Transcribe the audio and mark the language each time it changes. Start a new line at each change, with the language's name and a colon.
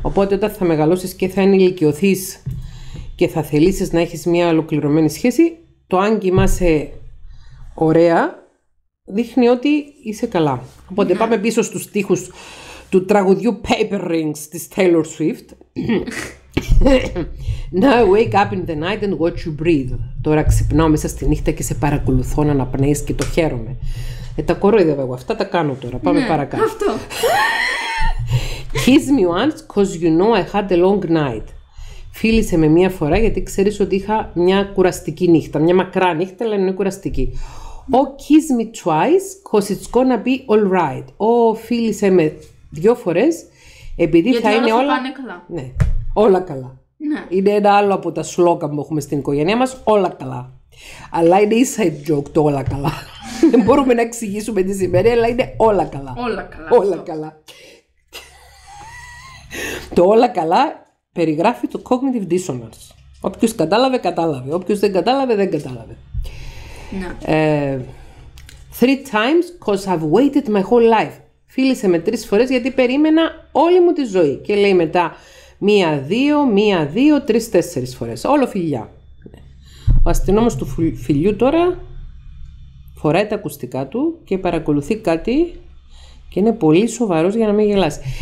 Greek: Οπότε όταν θα μεγαλώσεις και θα ενηλικιωθείς και θα θελήσεις να έχεις μια ολοκληρωμένη σχέση, το αν κοιμάσαι ωραία δείχνει ότι είσαι καλά. Οπότε πάμε πίσω στους στίχους του τραγουδιού Paper Rings της Taylor Swift.
English: Now I wake up in the night and watch you breathe.
Greek: Τώρα ξυπνάω μέσα στη νύχτα και σε παρακολουθώ να αναπνέεις και το χαίρομαι. Τα κοροϊδεύω εγώ, αυτά τα κάνω τώρα. Πάμε παρακάτω. Αυτό.
English: Kiss me once, cause you know I had a long night.
Greek: Φίλησε με μία φορά γιατί ξέρεις ότι είχα μια κουραστική νύχτα. Μια μακρά νύχτα, αλλά είναι κουραστική.
English: Oh, kiss me twice, cause it's gonna be alright.
Greek: Oh, φίλησε με δύο φορές, επειδή γιατί θα είναι όλα. Πάνε καλά. Ναι, όλα καλά. Ναι. Είναι ένα άλλο από τα σλόγκα που έχουμε στην οικογένειά μας. Όλα καλά. Αλλά είναι inside joke το όλα καλά. Δεν μπορούμε να εξηγήσουμε τι σημαίνει, αλλά είναι όλα καλά. Όλα καλά. Όλα καλά. Το όλα καλά περιγράφει το cognitive dissonance. Όποιος κατάλαβε, κατάλαβε. Όποιος δεν κατάλαβε, δεν κατάλαβε.
English: No. Three times because I've waited my whole life.
Greek: Φίλησε με τρεις φορές γιατί περίμενα όλη μου τη ζωή. Και λέει μετά μία-δύο, τρεις-τέσσερις φορές. Όλο φιλιά. Ο αστυνόμος του φιλιού τώρα φοράει τα ακουστικά του και παρακολουθεί κάτι και είναι πολύ σοβαρός για να μην γελάσει.